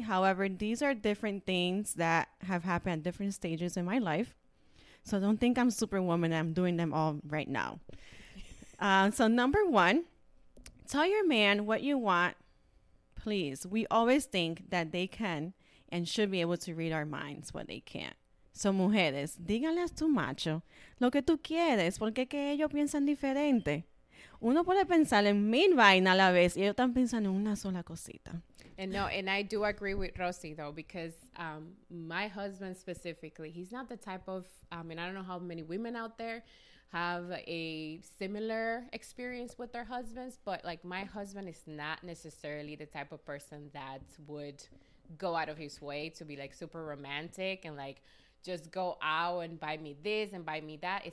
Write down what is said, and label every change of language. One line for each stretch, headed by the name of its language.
English: However, these are different things that have happened at different stages in my life. So don't think I'm superwoman. I'm doing them all right now. So number one, tell your man what you want, please. We always think that they can and should be able to read our minds, but they can't.
Spanish: So mujeres, díganle a tu macho lo que tú quieres, porque que ellos piensan diferente. Uno puede pensar en mil vainas a la vez y ellos están pensando en una sola cosita.
English: And no, and I do agree with Rosy though, because my husband specifically, he's not the type of, I don't know how many women out there have a similar experience with their husbands, but like my husband is not necessarily the type of person that would go out of his way to be like super romantic and like just go out and buy me this and buy me that.